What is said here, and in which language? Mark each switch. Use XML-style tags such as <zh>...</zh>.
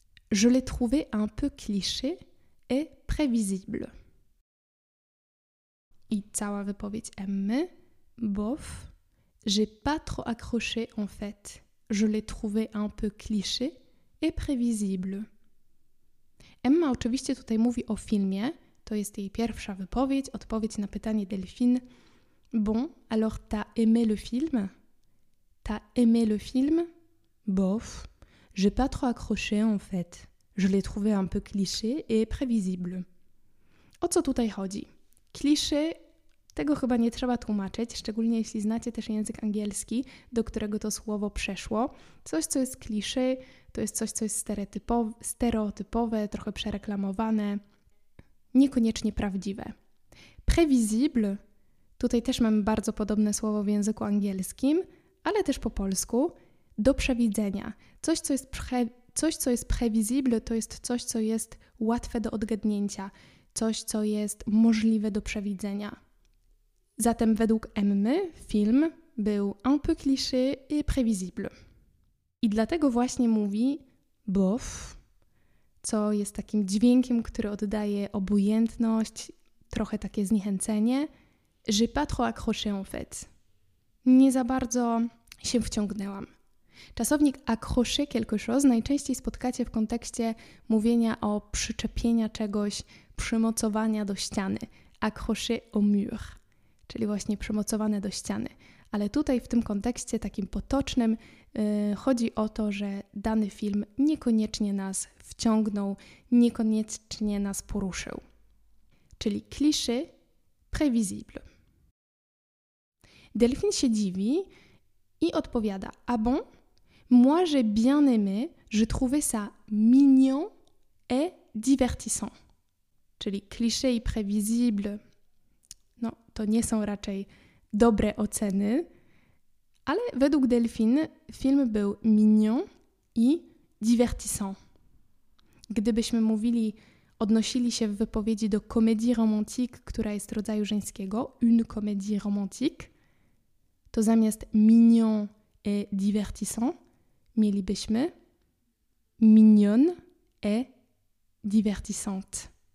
<fr>Je l'ai trouvé un peu cliché et prévisible.</fr> <pl>I cała wypowiedź Emmy.</pl> <fr>Bof, j'ai pas trop accroché en fait. Je l'ai trouvé un peu cliché et prévisible.</fr> <pl>Emma oczywiście tutaj mówi o filmie, to jest jej pierwsza wypowiedź, odpowiedź na pytanie Delphine.</pl> <fr>Bon, alors t'as aimé le film? T'as aimé le film? Bof, j'ai pas trop accroché en fait. Je l'ai trouvé un peu cliché et prévisible.</fr> <pl>O co tutaj chodzi? Cliché, tego chyba nie trzeba tłumaczyć, szczególnie jeśli znacie też język angielski, do którego to słowo przeszło. Coś, co jest cliché, to jest coś, co jest stereotypowe, trochę przereklamowane, niekoniecznie prawdziwe. Prévisible, tutaj też mamy bardzo podobne słowo w języku angielskim, ale też po polsku, do przewidzenia. Coś, co jest prévisible, to jest coś, co jest łatwe do odgadnięcia, coś, co jest możliwe do przewidzenia. Zatem według Emmy film był</pl> <fr>un peu cliché et prévisible.</fr> <pl>I dlatego właśnie mówi bof, co jest takim dźwiękiem, który oddaje obojętność, trochę takie zniechęcenie.</pl> <fr>J'ai pas trop accroché en fait.</fr> <pl>Nie za bardzo się wciągnęłam. Czasownik</pl> <fr>accroché quelque chose</fr> <pl>najczęściej spotkacie w kontekście mówienia o przyczepienia czegoś, przymocowania do ściany.</pl> <fr>Accroché au mur.</fr> <pl>Czyli właśnie przymocowane do ściany. Ale tutaj w tym kontekście takim potocznym chodzi o to, że dany film niekoniecznie nas wciągnął, niekoniecznie nas poruszył. Czyli cliché, prévisible. Delphine się dziwi i odpowiada:</pl> <fr>A bon? Moi j'ai bien aimé, je trouvais ça mignon et divertissant.</fr> <pl>Czyli cliché i prévisible, no to nie są raczej dobre oceny, ale według Delphine film był mignon i divertissant. Gdybyśmy odnosili się w wypowiedzi do comédie romantique, która jest rodzaju żeńskiego,</pl> <fr>une comédie romantique,</fr> <pl>to zamiast mignon et divertissant mielibyśmy</pl> <fr>mignonne et divertissante.</fr>